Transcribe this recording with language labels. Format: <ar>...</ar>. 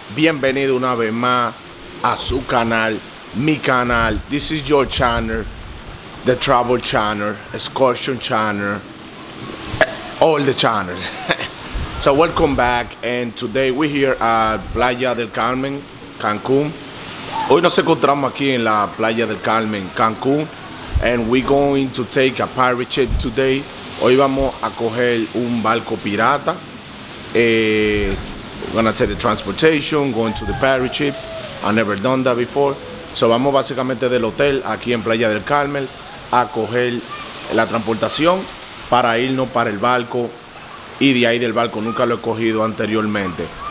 <es>Bienvenido una vez más a su canal, mi canal.</es> <en>This is your channel, the travel channel, excursion channel, all the channels. So welcome back, and today we're here at Playa del Carmen, Cancun.</en> <es>Hoy nos encontramos aquí en la</es> <en>Playa del Carmen, Cancun, and we're going to take a pirate ship today.</en> <es>Hoy vamos a coger un barco pirata.</es> <en>We're gonna take the transportation, going to the pirate ship. I've never done that before.</en> <es>So vamos básicamente del hotel aquí en Playa del Carmen a coger la transportación para irnos para el barco. Y de ahí del barco, nunca lo he cogido anteriormente.</es>